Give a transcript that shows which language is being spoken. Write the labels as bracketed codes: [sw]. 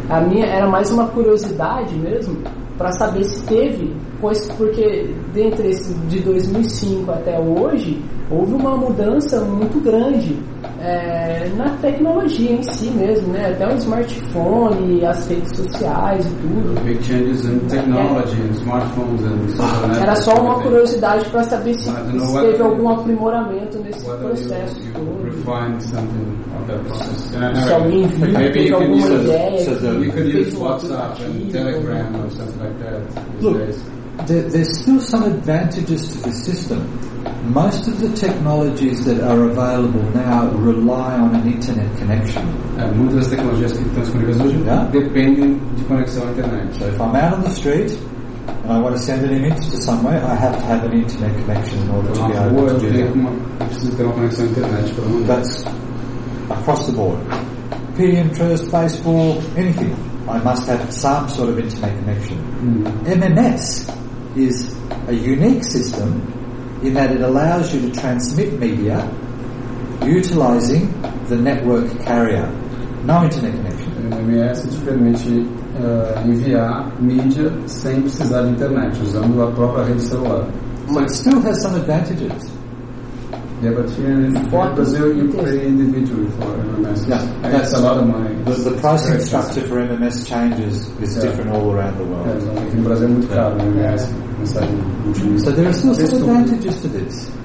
[pt] A minha era mais uma curiosidade mesmo para saber se teve, pois, porque dentre esse de 2005 até hoje houve uma mudança muito grande. na tecnologia em si mesmo, né? Até o smartphone, as redes sociais e tudo. [en] Big changes in technology, in smartphones and so on. [pt] Era só uma curiosidade para saber se teve algum aprimoramento nesse processo todo. [en] Refine something of that process. [pt] Se alguém viu, teve alguma ideia. [en] You could use WhatsApp and Telegram or something like that. Look, there's still some advantages to the system. Most of the technologies that are available now rely on an internet connection. [pt] Muitas das tecnologias que estão disponíveis hoje dependem de conexão à internet. [en] So if I'm out on the street and I want to send an image to somewhere, I have to have an internet connection in order to be able to do that. [pt] Eu preciso ter uma conexão à internet para mandar. [en] That's across the board. Pinterest, Facebook, anything. I must have some sort of internet connection. MMS is a unique system in that it allows you to transmit media utilizing the network carrier. No internet connection. [pt] MMS te permite enviar mídia sem precisar de internet, usando a própria rede celular. [en] But it still has some advantages. Yeah, but here in Brazil you pay individually for MMS. Yeah, that's a lot of money. The pricing structure for MMS changes is different all around the world. In Brazil it's very caro, MMS. So there are still some advantages to this.